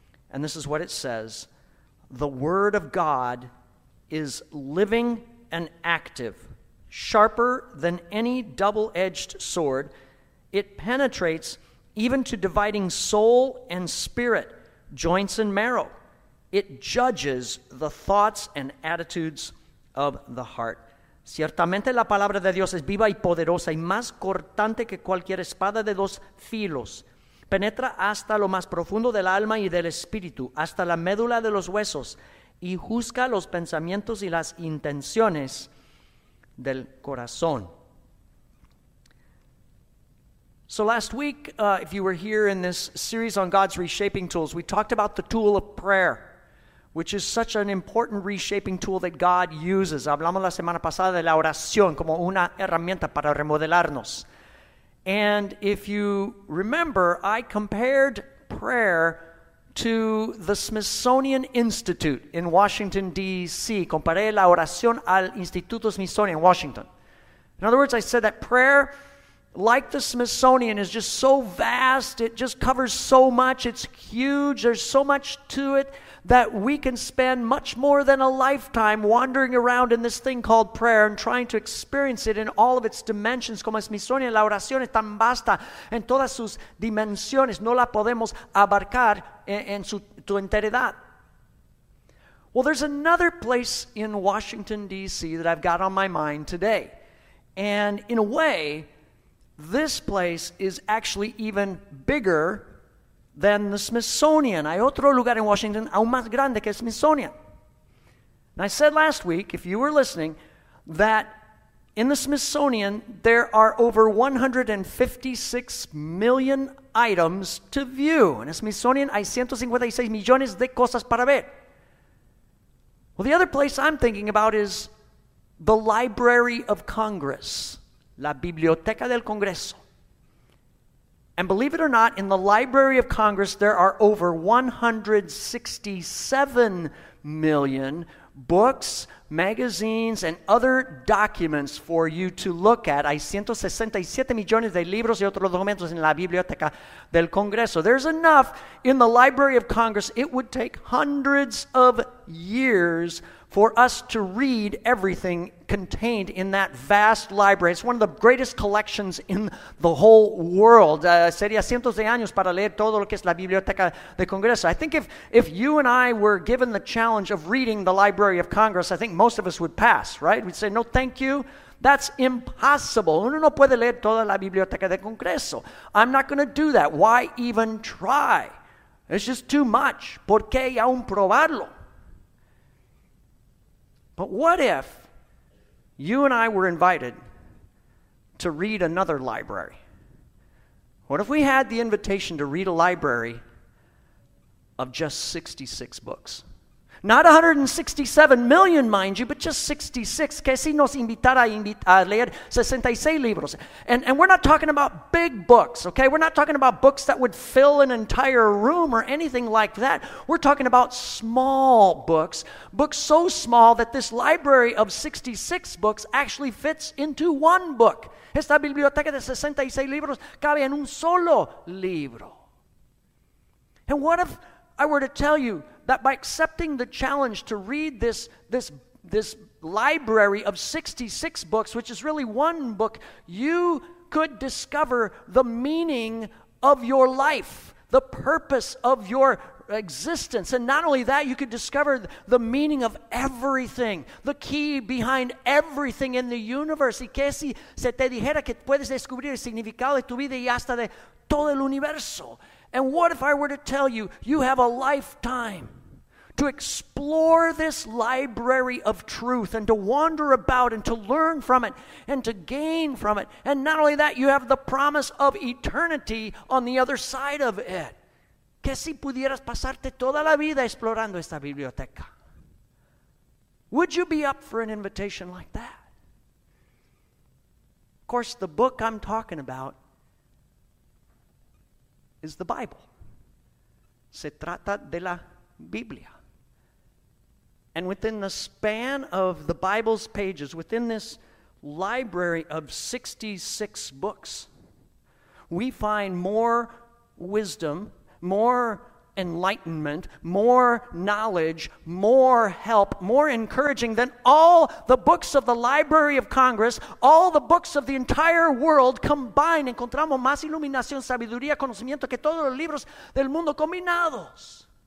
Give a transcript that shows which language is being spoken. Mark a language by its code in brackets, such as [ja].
[en] And this is what it says: "The word of God is living and active, sharper than any double-edged sword. It penetrates even to dividing soul and spirit, joints and marrow. It judges the thoughts and attitudes of the heart." [es] Ciertamente la palabra de Dios es viva y poderosa y más cortante que cualquier espada de dos filos. Penetra hasta lo más profundo del alma y del espíritu, hasta la médula de los huesos, y juzga los pensamientos y las intenciones del corazón. [en] So last week, if you were here in this series on God's reshaping tools, we talked about the tool of prayer, which is such an important reshaping tool that God uses. [es] Hablamos la semana pasada de la oración como una herramienta para remodelarnos. [en] And if you remember, I compared prayer to the Smithsonian Institute in Washington, D.C. [es] Comparé la oración al Instituto Smithsonian in Washington. [en] In other words, I said that prayer, like the Smithsonian, is just so vast. It just covers so much. It's huge. There's so much to it that we can spend much more than a lifetime wandering around in this thing called prayer and trying to experience it in all of its dimensions. [es] Como Smithsonian, la oración es tan vasta en todas sus dimensiones. No la podemos abarcar en su enteridad. [en] Well, there's another place in Washington, D.C. that I've got on my mind today. And in a way, this place is actually even bigger than the Smithsonian. [es] Hay otro lugar en Washington aún más grande que el Smithsonian. [en] And I said last week, if you were listening, that in the Smithsonian, there are over 156 million items to view. [es] En el Smithsonian hay 156 millones de cosas para ver. [en] Well, the other place I'm thinking about is the Library of Congress. [es] La Biblioteca del Congreso. [en] And believe it or not, in the Library of Congress, there are over 167 million books, magazines, and other documents for you to look at. [es] Hay 167 millones de libros y otros documentos en la Biblioteca del Congreso. [en] There's enough in the Library of Congress. It would take hundreds of years for us to read everything contained in that vast library. It's one of the greatest collections in the whole world. [es] Sería cientos de años para leer todo lo que es la Biblioteca del Congreso. [en] I think if you and I were given the challenge of reading the Library of Congress, I think most of us would pass, right? We'd say, no, thank you. That's impossible. [es] Uno no puede leer toda la Biblioteca del Congreso. [en] I'm not going to do that. Why even try? It's just too much. [es] ¿Por qué aún probarlo? [en] But what if you and I were invited to read another library? What if we had the invitation to read a library of just 66 books? Not 167 million, mind you, but just 66. [es] ¿Qué si nos invitara a leer 66 libros? [en] And we're not talking about big books, okay? We're not talking about books that would fill an entire room or anything like that. We're talking about small books, books so small that this library of 66 books actually fits into one book. [es] Esta biblioteca de 66 libros cabe en un solo libro. [en] And what if I were to tell you that by accepting the challenge to read this library of 66 books, which is really one book, you could discover the meaning of your life, the purpose of your existence. And not only that, you could discover the meaning of everything, the key behind everything in the universe. [es] Y que si se te dijera que puedes descubrir el significado de tu vida y hasta de todo el universo. [en] And what if I were to tell you, you have a lifetime to explore this library of truth and to wander about and to learn from it and to gain from it. And not only that, you have the promise of eternity on the other side of it. [es] ¿Qué si pudieras pasarte toda la vida explorando esta biblioteca? [en] Would you be up for an invitation like that? Of course, the book I'm talking about is the Bible. [es] Se trata de la Biblia. [en] And within the span of the Bible's pages, within this library of 66 books, we find more wisdom, more enlightenment, more knowledge, more help, more encouraging than all the books of the Library of Congress, all the books of the entire world combined. [es] Encontramos más iluminación, sabiduría, conocimiento que todos los libros del mundo combinados.